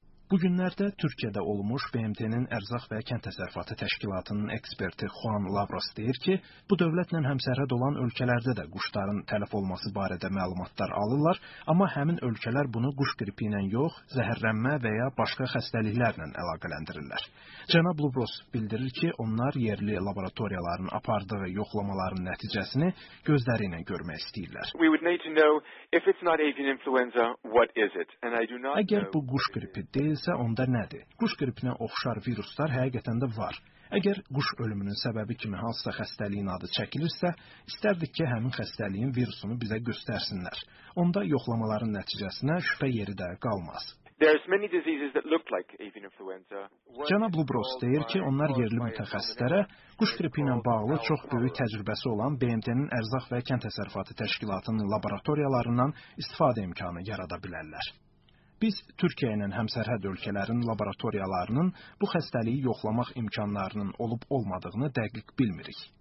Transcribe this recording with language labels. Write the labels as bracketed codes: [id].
[az] Bu günlərdə Türkiyədə olmuş BMT-nin Ərzaq və Kənd Təsərrüfatı Təşkilatının eksperti Juan Lubros deyir ki, bu dövlətlə həmsərhəd olan ölkələrdə də quşların tələf olması barədə məlumatlar alırlar, amma həmin ölkələr bunu quş qripi ilə yox, zəhərlənmə və ya başqa xəstəliklərlə əlaqələndirirlər. Cənab Lubros bildirir ki, onlar yerli laboratoriyaların apardığı yoxlamaların nəticəsini gözləri ilə görmək istəyirlər. [en] We would need to know if it's not avian influenza, what is it? And I do not know. [az] Əgər bu quş qripi deyilsə, onda nədir? Quş qripinə oxşar viruslar həqiqətən də var. Əgər quş ölümünün səbəbi kimi hansısa xəstəliyin adı çəkilirsə, istərdik ki, həmin xəstəliyin virusunu bizə göstərsinlər. Onda yoxlamaların nəticəsinə şübhə yeri də qalmaz. [en] There's many diseases that look like avian influenza. [az] Cənab Lubros deyir ki, onlar yerli mütəxəssislərə quş qripi ilə bağlı çox böyük təcrübəsi olan BMT-nin Ərzaq və Kənd Təsərrüfatı Təşkilatının laboratoriyalarından istifadə imkanı yarada bilərlər. Biz Türkiyə ilə həmsərhəd ölkələrin laboratoriyalarının bu xəstəliyi yoxlamaq imkanlarının olub-olmadığını dəqiq bilmirik.